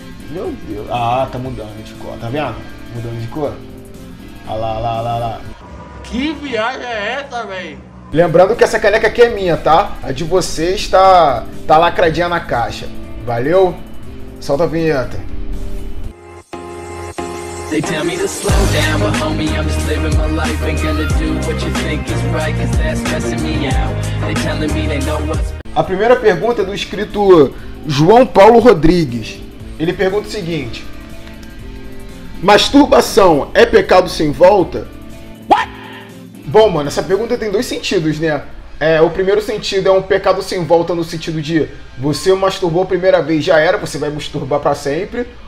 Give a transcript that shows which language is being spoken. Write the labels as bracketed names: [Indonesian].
[Portuguese] Meu Deus. Ah, tá mudando de cor. Tá vendo? Mudando de cor. Olha lá, olha lá, olha lá. Que viagem é essa, velho? Lembrando que essa caneca aqui é minha, tá? A de vocês tá lacradinha na caixa. Valeu? Solta a vinheta. [English] They tell me to slow down, but homie, I'm just living my life. Ain't gonna do what you think is right, cause that's messing me out. They telling me they know what's... [Portuguese] A primeira pergunta é do escrito João Paulo Rodrigues. Ele pergunta o seguinte: masturbação é pecado sem volta? What? Bom, mano, essa pergunta tem dois sentidos, né? É, o primeiro sentido é um pecado sem volta no sentido de você masturbou a primeira vez, já era, você vai masturbar pra sempre.